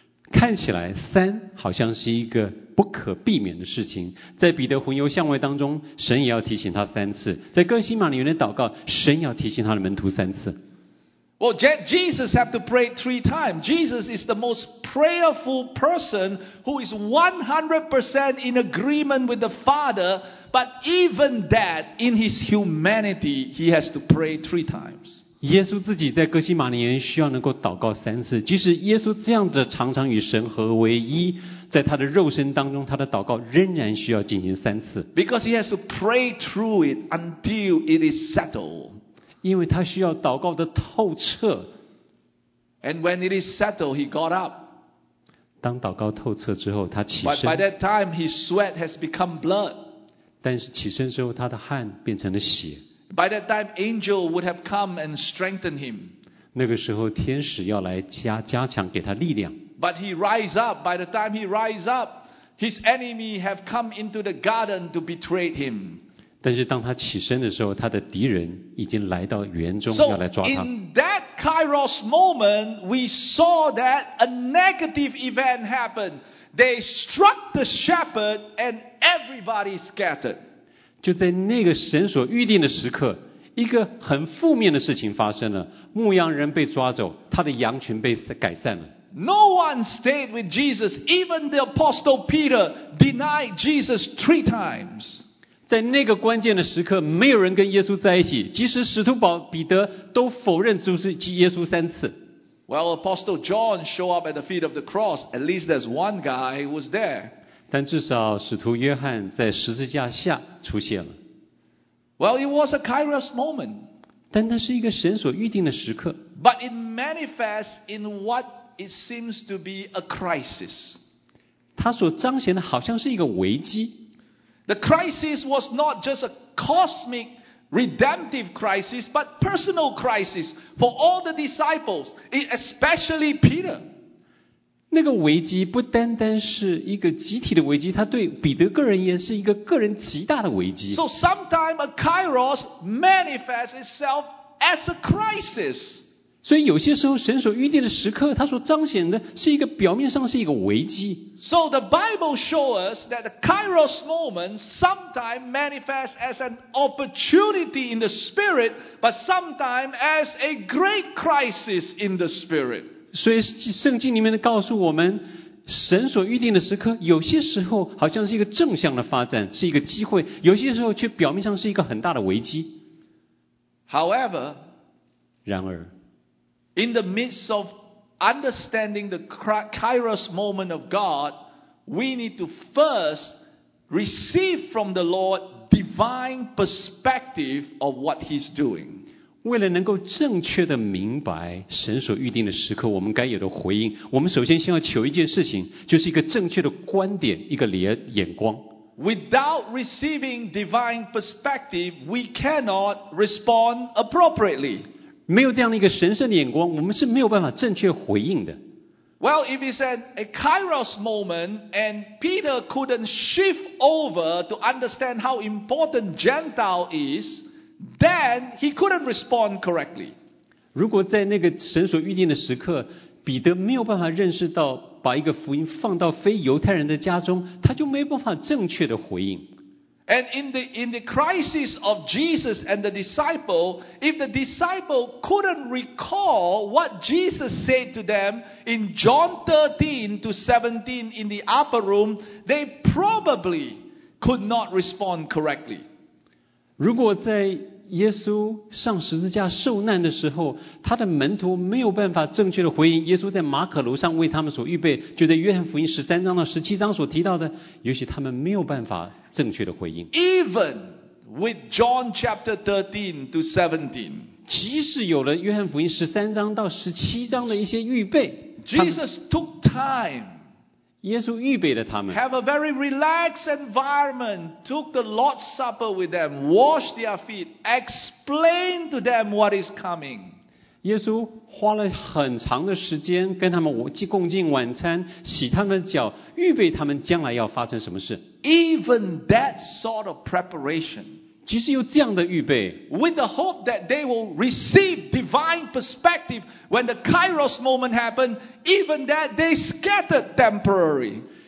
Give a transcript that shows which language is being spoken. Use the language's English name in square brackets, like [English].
[Chinese] 看起来三好像是一个不可避免的事情，在彼得魂游向外当中，神也要提醒他三次；在哥西马尼园的祷告，神也要提醒他的门徒三次。 [English] Well, Jesus have to pray three times. Jesus is the most prayerful person who is 100% in agreement with the Father. But even that, in his humanity, he has to pray three times. [Chinese] 耶稣自己在哥西马尼园需要能够祷告三次，即使耶稣这样子的常常与神合为一。在他的肉身当中，他的祷告仍然需要进行三次。 [English] Because he has to pray through it until it is settled. [Chinese] 因为他需要祷告的透彻。 [English] And when it is settled, he got up. [Chinese] 当祷告透彻之后，他起身。 [English] But by that time, his sweat has become blood. [Chinese] 但是起身之后，他的汗变成了血。 [English] By that time, angel would have come and strengthened him. [Chinese] 那个时候，天使要来加强给他力量。 [English] But he rise up. By the time he rise up, his enemy have come into the garden to betray him. [Chinese] 但是当他起身的时候，他的敌人已经来到园中要来抓他。 [English] So in that Kairos moment, we saw that a negative event happened. They struck the shepherd, and everybody scattered. [Chinese] 就在那个神所预定的时刻，一个很负面的事情发生了。牧羊人被抓走，他的羊群被改散了。 [English] No one stayed with Jesus. Even the apostle Peter denied Jesus three times. [Chinese] 在那个关键的时刻，没有人跟耶稣在一起。即使使徒彼得都否认主是耶稣三次。 [English] Well, apostle John showed up at the feet of the cross. At least there's one guy who was there. [Chinese] 但至少使徒约翰在十字架下出现了。 [English] Well, it was a Kairos moment. [Chinese] 但那是一个神所预定的时刻。 [English] But it manifests in what? It seems to be a crisis. [Chinese] 它所彰显的好像是一个危机。 [English] The crisis was not just a cosmic redemptive crisis, but personal crisis for all the disciples, especially Peter. [Chinese] 那个危机不单单是一个集体的危机，它对彼得个人也是一个个人极大的危机。 [English] So sometimes a kairos manifests itself as a crisis. [Chinese] 所以有些时候神所预定的时刻，他所彰显的是一个表面上是一个危机。 [English] So the Bible shows us that the Kairos moment sometimes manifests as an opportunity in the spirit, but sometimes as a great crisis in the spirit. [Chinese] 所以圣经里面告诉我们，神所预定的时刻，有些时候好像是一个正向的发展，是一个机会，有些时候却表面上是一个很大的危机。 [English] However, [Chinese] 然而 [English] in the midst of understanding the Kairos moment of God, we need to first receive from the Lord divine perspective of what He's doing. [Chinese] 为了能够正确的明白神所预定的时刻我们该有的回应，我们首先先要求一件事情，就是一个正确的观点，一个眼光。 [English] Without receiving divine perspective, we cannot respond appropriately. [Chinese] 没有这样的一个神圣的眼光，我们是没有办法正确回应的。 [English] Well, if it's a Kairos moment and Peter couldn't shift over to understand how important Gentile is,Then he couldn't respond correctly. [Chinese] 如果在那个神所预定的时刻，彼得没有办法认识到把一个福音放到非犹太人的家中，他就没办法正确的回应。 [English] And in the crisis of Jesus and the disciple, if the disciple couldn't recall what Jesus said to them in John 13-17 in the upper room, they probably could not respond correctly. [Chinese] 如果在耶稣上十字架受难的时候，他的门徒没有办法正确的回应耶稣在马可楼上为他们所预备，就在约翰福音13-17所提到的，也许他们没有办法正确的回应。 [English] Even with John chapter 13-17, [Chinese] 即使有了约翰福音13-17的一些预备 [English] ，Jesus took time. [Chinese] 耶稣预备了他们 [English] have a very relaxed environment, took the Lord's Supper with them, washed their feet, explained to them what is coming. [Chinese] 耶稣花了很长的时间跟他们共进晚餐，洗他们的脚，预备他们将来要发生什么事。 [English] Even that sort of preparation, [Chinese] 即使有这样的预备 [English] with the hope that they will receive divine perspective when the Kairos moment happened,Even that they scattered temporarily.